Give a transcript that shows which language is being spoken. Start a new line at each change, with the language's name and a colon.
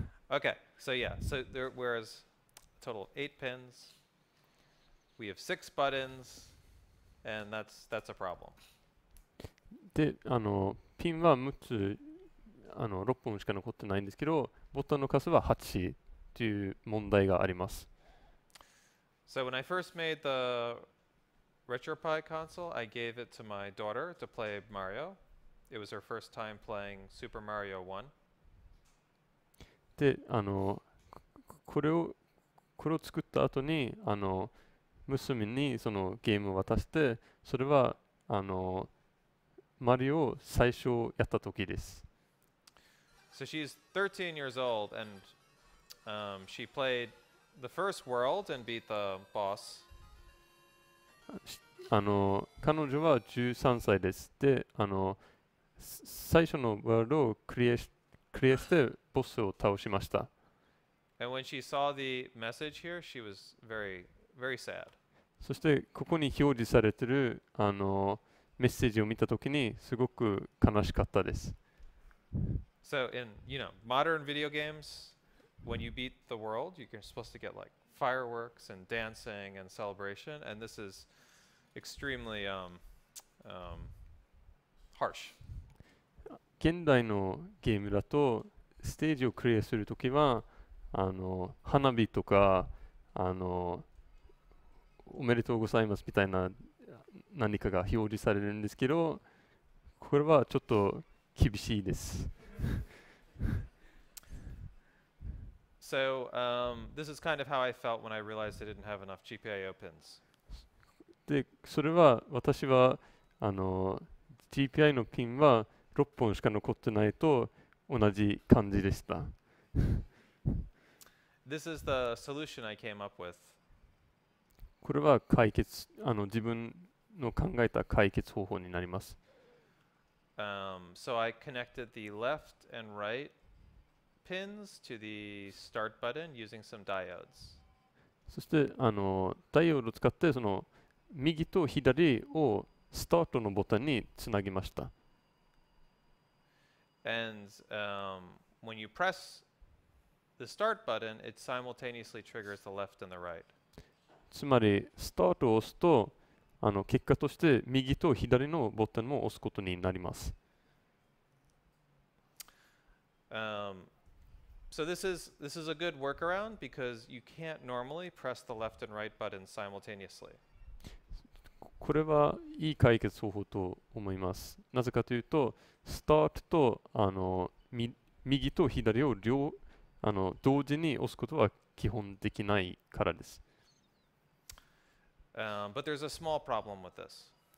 English: Okay, so yeah, so there whereas a total of 8 pins, we have 6 buttons, and that's a problem.
Japanese: で、あの、ピンは6つ、あの、6本しか残ってないんですけど、ボタンの数は8という問題があります。
English: So when I first made the RetroPi console, I gave it to my daughter to play Mario. It was her first time playing Super Mario 1.
Japanese: で、あの、これを作った後に、あの、娘にそのゲームを渡して、それは、あの、マリオを最初やった時です。
English: So she's 13 years old and she played the first world and beat the boss.
Japanese: あの、彼女は13歳です。で、あの、最初のワールドをクリアしてボスを倒しました。
English: And when she saw the message here, she was very, very sad.
Japanese: そしてここに表示されてるあのメッセージを見たときにすごく悲しかったです。
English: So in, you know, modern video games, when you beat the world, you're supposed to get like fireworks and dancing and celebration, and this is extremely harsh.
Japanese: 現代のゲームだとステージをクリアするときはあの花火とかあのおめでとうございますみたいな何かが表示されるんですけど、これはちょっと厳しいです。
English: So, this is kind of how I felt when I realized I didn't have enough GPIO pins.
Japanese: で、それは私はあの GPI のピンは6本しか残ってないと同じ感じでした。
English: This is the solution I came up with.
Japanese: これは解決、あの自分の考えた解決方法になります。
English: So I connected the left and right pins to the start button using some diodes.
Japanese: そしてあのダイオードを使ってその右と左をスタートのボタンにつなぎました。
English: And when you press the start button, it simultaneously triggers the left and the right.
Japanese: つまりスタートを押すとあの結果として右と左のボタンも押すことになります。
English: So this is a good workaround because you can't normally press the left and right button simultaneously.
Japanese: これはいい解決方法と思います。なぜかというと、スタートとあの右と左を両あの同時に押すことは基本できないからです。
English: But there's a small problem with this.